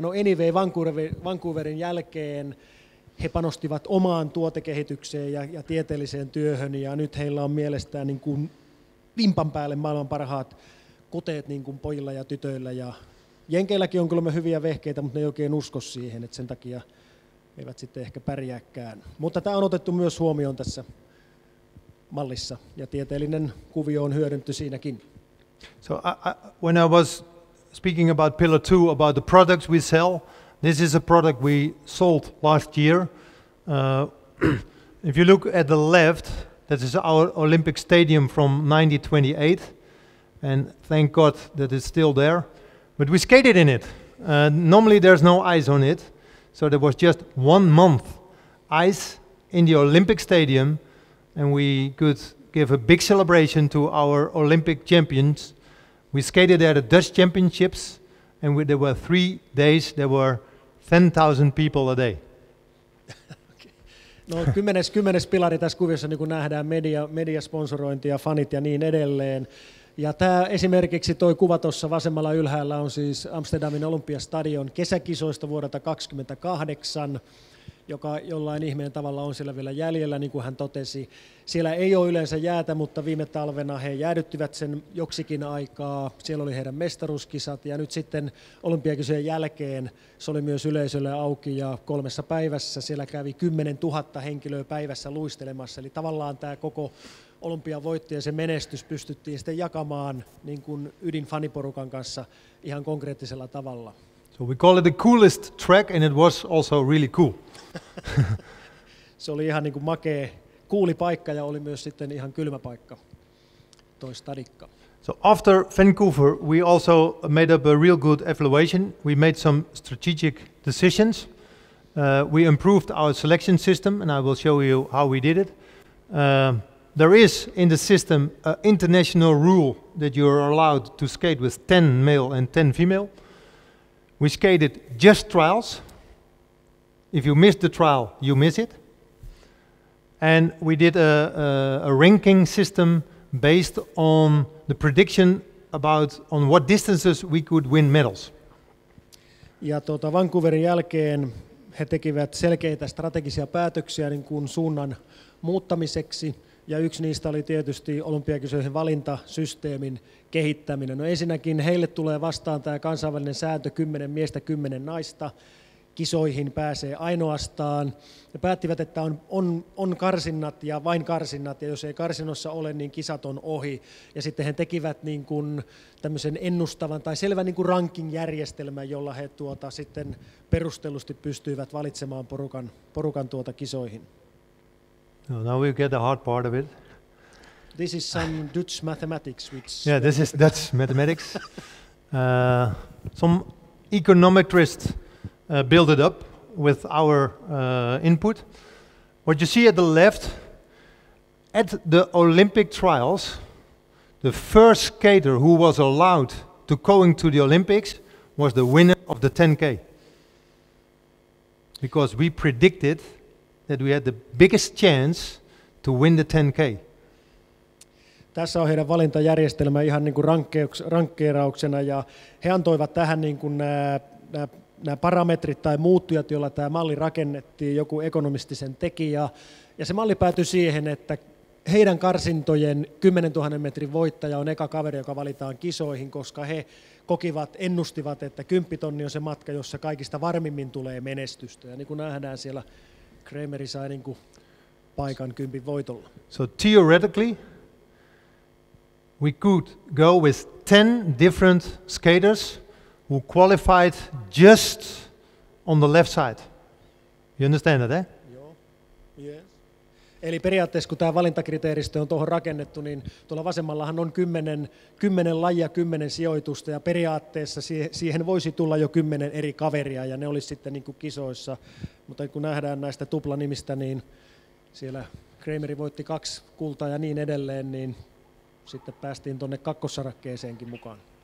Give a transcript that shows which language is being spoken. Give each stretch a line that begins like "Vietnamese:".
Finnish: No
English: anyway,
Finnish: Vancouverin jälkeen he panostivat omaan tuotekehitykseen ja tieteelliseen työhön, ja nyt heillä on mielestään niin kuin vimpan päälle maailman parhaat koteet niin kuin pojilla ja tytöillä. Ja Jenkeilläkin on kyllä hyviä vehkeitä, mutta ne ei oikein usko siihen, että sen takia eivät sitten ehkä pärjääkään. Mutta tämä on otettu myös huomioon tässä mallissa, ja tieteellinen kuvio on hyödynty siinäkin.
English: So when I was speaking about pillar 2, about the products we sell, this is a product we sold last year. If you look at the left, that is our Olympic stadium from 1928, and thank God that it's still there. But we skated in it. Normally there's no ice on it, so there was just 1 month ice in the Olympic stadium, and we could give a big celebration to our Olympic champions. We skated at the Dutch championships, and there were 3 days, there were 10,000 people a day.
Finnish: No, kymmenes pilari tässä kuviossa, niin kuin nähdään, mediasponsorointi ja fanit ja niin edelleen. Ja tämä esimerkiksi tuo kuva tuossa vasemmalla ylhäällä on siis Amsterdamin Olympiastadion kesäkisoista vuodelta 2028, joka jollain ihmeen tavalla on siellä vielä jäljellä, niin kuin hän totesi. Siellä ei ole yleensä jäätä, mutta viime talvena he jäädyttivät sen joksikin aikaa. Siellä oli heidän mestaruuskisat, ja nyt sitten olympiakisojen jälkeen se oli myös yleisölle auki, ja 3 päivässä siellä kävi 10 000 henkilöä päivässä luistelemassa. Eli tavallaan tämä koko Olympian voitto ja se menestys pystyttiin sitten jakamaan niin kuin ydinfaniporukan kanssa ihan konkreettisella tavalla.
English: So we call it the coolest track, and it was also really cool.
Finnish: Se oli ihan niin kuin makea, cooli paikka, ja oli myös sitten ihan kylmä paikka, toi stadikka.
English: So after Vancouver, we also made up a real good evaluation. We made some strategic decisions. We improved our selection system, and I will show you how we did it. There is in the system an international rule that you are allowed to skate with 10 male and 10 female. We skated just trials. If you miss the trial, you miss it. And we did a ranking system based on the prediction about on what distances we could win medals.
Finnish: Ja Vancouverin jälkeen he tekivät selkeitä strategisia päätöksiä niin kuin suunnan muuttamiseksi. Ja yksi niistä oli tietysti olympiakisoihin valintasysteemin kehittäminen. No ensinnäkin heille tulee vastaan tämä kansainvälinen sääntö 10 miestä, 10 naista. Kisoihin pääsee ainoastaan. Ja päättivät, että on karsinnat ja vain karsinnat. Ja jos ei karsinossa ole, niin kisat on ohi. Ja sitten he tekivät niin kuin tämmöisen ennustavan tai selvän niin kuin ranking-järjestelmän, jolla he sitten perustellusti pystyivät valitsemaan porukan kisoihin.
English: No, now we get the hard part of it. This is some Dutch mathematics. Yeah, this is Dutch mathematics. Some econometrists build it up with our input. What you see at the left, at the Olympic trials, the first skater who was allowed to going to the Olympics was the winner of the 10K. Because we predicted that we had the biggest chance to win the 10K.
Finnish: Tässä on heidän valintajärjestelmä ihan niin kuin rankkeerauksena, ja he antoivat tähän niin kuin nämä parametrit tai muuttujat, joilla tämä malli rakennettiin, joku ekonomistisen tekijä. Ja se malli päätyi siihen, että heidän karsintojen 10 000 metrin voittaja on eka kaveri, joka valitaan kisoihin, koska he kokivat, ennustivat, että 10 tonni on se matka, jossa kaikista varmimmin tulee menestystä. Ja niin kuin nähdään siellä, Kremeri sai niin kuin paikan 10 voitolla.
English: So theoretically, we could go with 10 different skaters who qualified just on the left side. You understand that, eh? Joo. Yes.
Finnish: Eli periaatteessa, kun tämä valintakriteeristö on tuohon rakennettu, niin tuolla vasemmallahan on 10 lajia, 10 sijoitusta, ja periaatteessa siihen voisi tulla jo 10 eri kaveria, ja ne olisi sitten niin kuin kisoissa. Mutta kun nähdään näistä tuplanimistä, niin siellä Kremeri voitti 2 kultaa ja niin edelleen, niin sitten päästiin tuonne kakkossarakkeeseenkin mukaan.